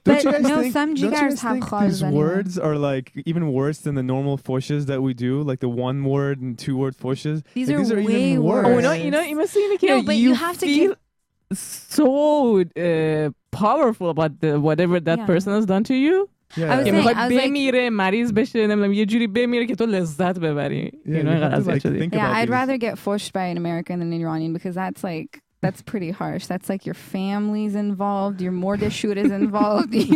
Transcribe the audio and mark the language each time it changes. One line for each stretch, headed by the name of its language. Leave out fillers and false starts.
English: But no, some jigars have khal. These words are like even worse than the normal foshes that we do, like the one word and two word foshes. These are way worse. Oh no, you know, you must see the kid. No, but you have to feel so powerful about whatever that person has done to you.
Persian: که میخوای بمیره مریض بشه نمیدونم یه جوری بمیره که تو لذت ببری اینو انقدر اذیت شدی.
English: Yeah, I'd rather get forced by an American than an Iranian because that's like that's pretty harsh. That's like your family's involved, your mordeshut is involved,